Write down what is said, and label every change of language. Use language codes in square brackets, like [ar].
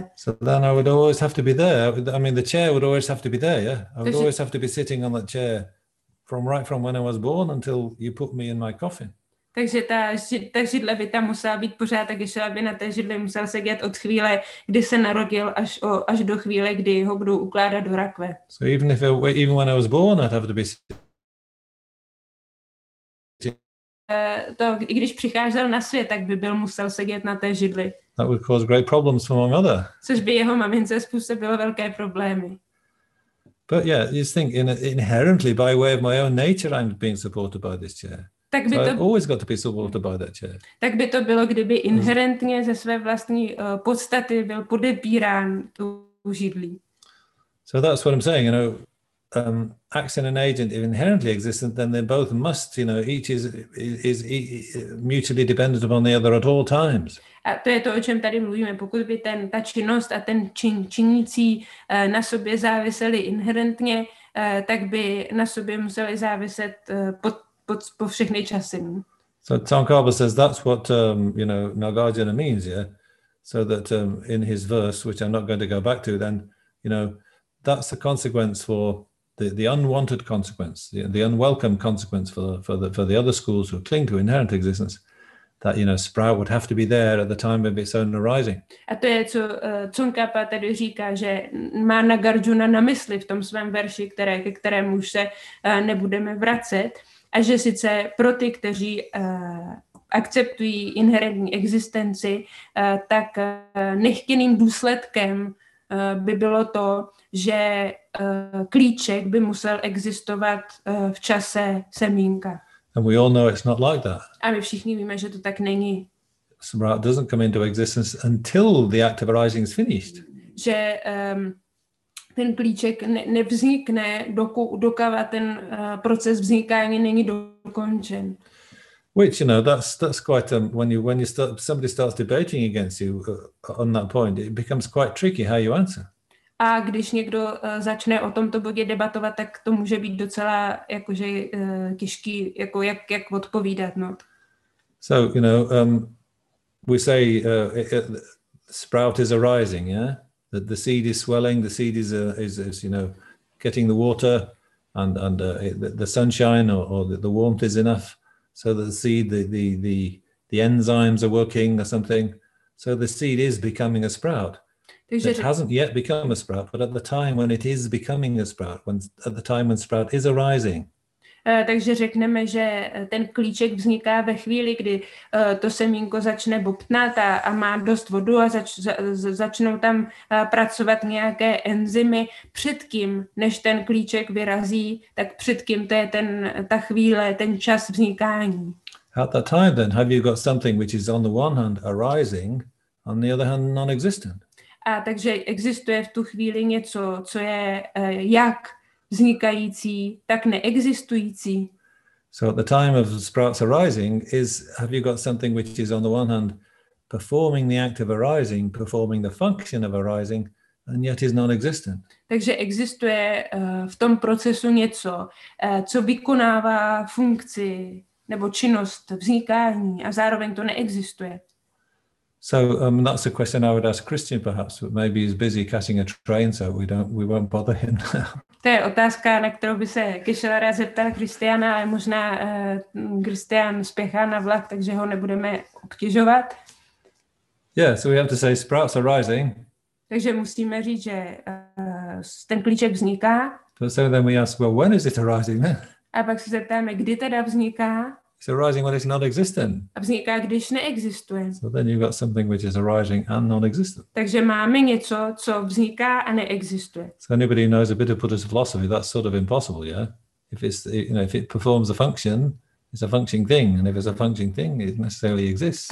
[en] So then I would always have to be there. I mean, the chair would always have to be there, yeah. Always have to be sitting on that chair. From right from when I was born until you put me in my coffin. [cs] Takže ta židle by tam musela být pořád, a Geshe-la by na té židli musel sedět od chvíle, kdy se narodil, až do chvíle, kdy ho budou ukládat do rakve. [en] So even when I was born, I'd have to be. [cs] To i když přicházel na svět, tak by byl musel sedět na té židli. [en] That would cause great problems for my mother. [cs] Což by jeho mamince způsobilo velké problémy. [en] But yeah, you think inherently by way of my own nature I'm being supported by this chair. [cs] Tak by [en] so [cs] to, [en] I've always got to be supported by that chair. [cs] Tak by to bylo, kdyby inherentně ze své vlastní podstaty byl podepírán tu židlí. [en] So that's what I'm saying, you know, action and agent if inherently existent, then they both must, you know, each is mutually dependent upon the other at all times. [cs] A to je to, o čem tady mluvíme. Pokud by ta činnost a ten činící na sobě záviseli inherentně, tak by na sobě museli záviset po všechny časy. [en] So Tsongkhapa says that's what you know, Nagarjuna means, yeah. So that in his verse, which I'm not going to go back to, then, you know, that's the consequence for the unwanted consequence, the unwelcome consequence for the other schools who cling to inherent existence. That, you know, sprout would have to be there at the time of its own arising. [cs] A to je, co Tsongkhapa tady říká, že má Nagarjuna na mysli v tom svém verši, ke kterému už se nebudeme vracet, a že sice pro ty, kteří akceptují inherentní existenci, tak nechtěným důsledkem by bylo to, že klíček by musel existovat v čase semínka. [en] And we all know it's not like that. [cs] A my všichni víme, že to tak není. [en] Sprout doesn't come into existence until the act of arising is finished. [cs] Že ten klíček nevznikne, dokud ten proces vznikání není dokončen. [en] Which, you know, that's quite when you start, somebody starts debating against you on that point, it becomes quite tricky how you answer. [cs] A když někdo začne o tomto bodě debatovat, tak to může být docela jakože těžký, jako jak odpovídat, no. [en] So, you know, we say sprout is arising, yeah? That the seed is swelling, the seed is you know, getting the water and the sunshine or the warmth is enough so that the seed, the enzymes are working or something. So the seed is becoming a sprout. It hasn't yet become a sprout, but at the time when it is becoming a sprout, when sprout is arising. [cs] Takže řekneme, že ten klíček vzniká ve chvíli, kdy to semínko začne bobtnat a má dost vodu a začnou tam pracovat nějaké enzymy předtím, než ten klíček vyrazí, tak předtím to je ta chvíle, ten čas vznikání. [en] At that time then, have you got something which is on the one hand arising, on the other hand non-existent? [cs] A takže existuje v tu chvíli něco, co je jak vznikající, tak neexistující. [en] So at the time of sprouts arising is, have you got something which is on the one hand performing the act of arising, performing the function of arising, and yet is non-existent? [cs] Takže existuje v tom procesu něco, co vykonává funkci nebo činnost vznikání a zároveň to neexistuje. [en] So that's a question I would ask Christian, perhaps, but maybe he's busy catching a train, so we won't bother him. [cs] To je otázka, na kterou by se Geshe-la rád zeptal Christiana, ale možná Christian spěchá na vlak, takže ho nebudeme obtěžovat. [en] Yeah, so we have to say sprouts are rising. [cs] Takže musíme říct, že ten klíček vzniká. [en] But so then we ask, well, when is it arising then? [cs] A pak se zeptáme, kdy teda vzniká. [en] It's arising when it's non-existent. [cs] A vzniká, když neexistuje. [en] So then you've got something which is arising and non-existent. [cs] Takže máme něco, co vzniká a neexistuje. [en] So anybody who knows a bit of Buddhist philosophy, that's sort of impossible, yeah? If it's, you know, if it performs a function, it's a functioning thing, and if it's a functioning thing, it necessarily exists.